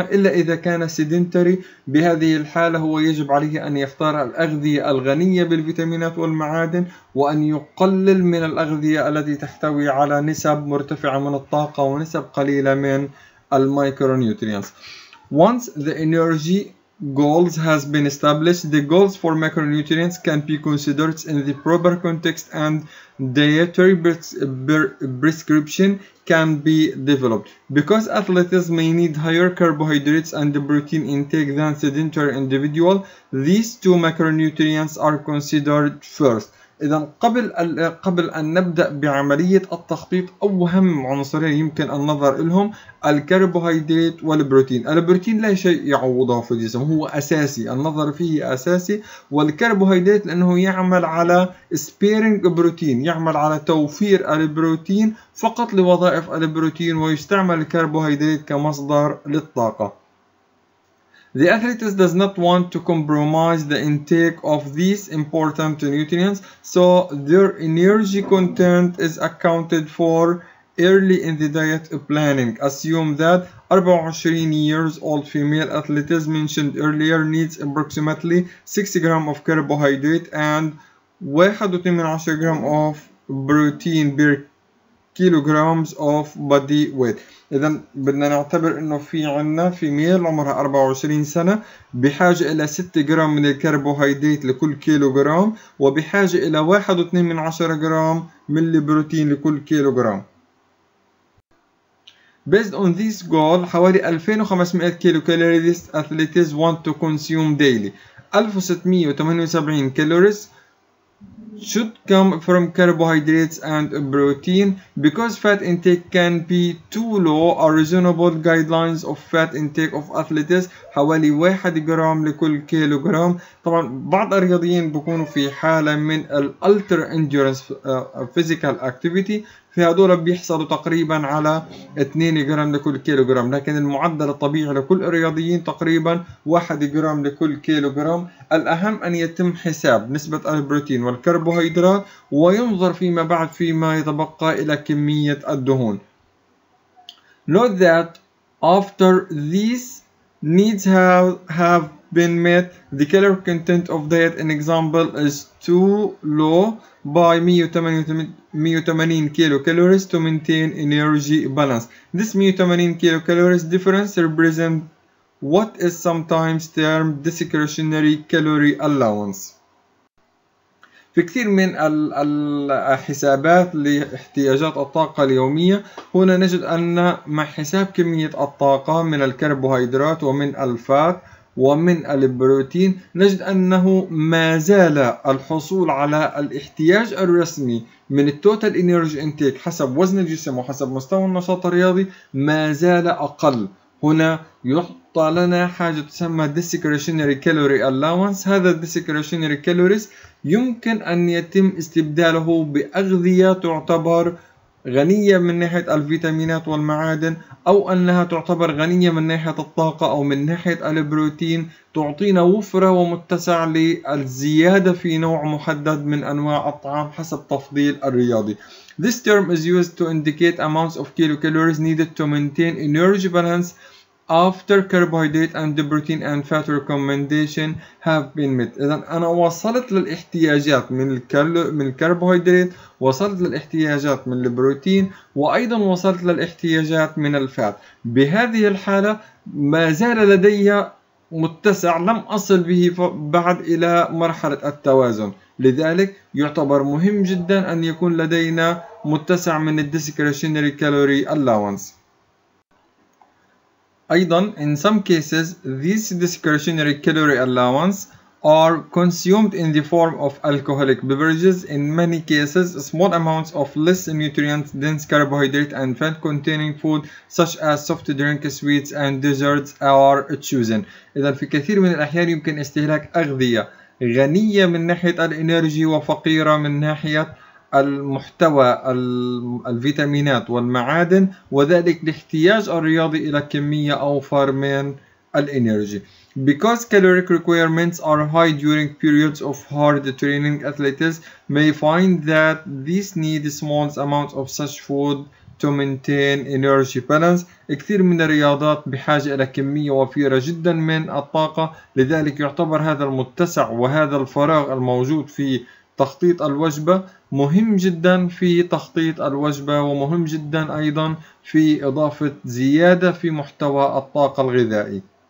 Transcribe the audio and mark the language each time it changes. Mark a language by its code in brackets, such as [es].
[ar] إلا إذا كان سيدنتري، بهذه الحالة هو يجب عليه أن يختار الأغذية الغنية بالفيتامينات والمعادن وأن يقلل من الأغذية التي تحتوي على نسب مرتفعة من الطاقة ونسب قليلة من الماكرونيوترينز. [en] Once the energy goals has been established, the goals for macronutrients can be considered in the proper context and dietary prescription can be developed. Because athletes may need higher carbohydrates and protein intake than sedentary individual, these two macronutrients are considered first. [ar] إذا قبل أن نبدأ بعملية التخطيط، أهم عنصرين يمكن أن ننظر إليهم الكربوهيدرات والبروتين. البروتين لا شيء يعوضه في الجسم، هو أساسي، النظر فيه أساسي. والكربوهيدرات لأنه يعمل على [en] sparing protein, [ar] يعمل على توفير البروتين فقط لوظائف البروتين، ويستعمل الكربوهيدرات كمصدر للطاقة. [en] The athlete does not want to compromise the intake of these important nutrients, so their energy content is accounted for early in the diet planning. Assume that 24 years old female athlete mentioned earlier needs approximately 6 grams of carbohydrate and 1.8 grams of protein per kilograms of body weight. [ar] إذن بدنا نعتبر إنه في عنا فيميل عمرها 24 سنة بحاجة إلى 6 جرام من الكربوهيدرات لكل كيلوغرام، وبحاجة إلى 1.2 جرام من البروتين لكل كيلوغرام. [en] Based on this goal, [ar] حوالي 2500 كيلو كالوري [en] this athletes want to consume daily. 1678 calories should come from carbohydrates and protein. Because fat intake can be too low, a reasonable guidelines of fat intake of athletes [ar] حوالي 1 جرام لكل كيلو جرام. طبعا بعض الرياضيين بيكونوا في حالة من [en] الالتر endurance physical activity, [ar] في هذول بيحصلوا تقريبا على 2 جرام لكل كيلو جرام، لكن المعدل الطبيعي لكل الرياضيين تقريبا 1 جرام لكل كيلو جرام. الأهم أن يتم حساب نسبة البروتين والكربوهيدرات، وينظر فيما بعد فيما يتبقى إلى كمية الدهون. [en] Note that after these needs have been met, the calorie content of diet in example is too low by 180 kilocalories to maintain energy balance. This 180 kilocalories difference represents what is sometimes termed discretionary calorie allowance. [ar] في كثير من الحسابات لاحتياجات الطاقة اليومية، هنا نجد أن مع حساب كمية الطاقة من الكربوهيدرات ومن الفات ومن البروتين، نجد أنه ما زال الحصول على الاحتياج الرسمي من [en] التوتال energy intake [ar] حسب وزن الجسم وحسب مستوى النشاط الرياضي ما زال أقل. هنا يعطى لنا حاجة تسمى discretionary calorie allowance. هذا discretionary calories يمكن أن يتم استبداله بأغذية تعتبر غنية من ناحية الفيتامينات والمعادن، أو أنها تعتبر غنية من ناحية الطاقة أو من ناحية البروتين، تعطينا وفرة ومتسع للزيادة في نوع محدد من أنواع الطعام حسب تفضيل الرياضي. [en] This term is used to indicate amounts of kilocalories needed to maintain energy balance after carbohydrate and the protein and fat recommendation have been met. [ar] إذا أنا وصلت للاحتياجات من الكربوهيدرات، وصلت للاحتياجات من البروتين، وأيضا وصلت للاحتياجات من الفات. بهذه الحالة ما زال لدي متسع، لم أصل به بعد إلى مرحلة التوازن. لذلك يعتبر مهم جدا أن يكون لدينا متسع من discretionary calorie allowance. [en] أيضا in some cases these discretionary calorie allowance are consumed in the form of alcoholic beverages. In many cases small amounts of less nutrient dense carbohydrate and fat containing food such as soft drink sweets and desserts are chosen. [ar] إذا في كثير من الأحيان يمكن استهلاك أغذية غنية من ناحية الإنرجي وفقيرة من ناحية المحتوى الفيتامينات والمعادن، وذلك لاحتياج الرياضي إلى كمية أوفر من الإنرجي. [en] Because caloric requirements are high during periods of hard training, athletes may find that these need small amounts of such food to maintain energy balance. [ar] كثير من الرياضات بحاجة إلى كمية وفيرة جدا من الطاقة، لذلك يعتبر هذا المتسع وهذا الفراغ الموجود في تخطيط الوجبة مهم جدا في تخطيط الوجبة، ومهم جدا أيضا في إضافة زيادة في محتوى الطاقة الغذائي.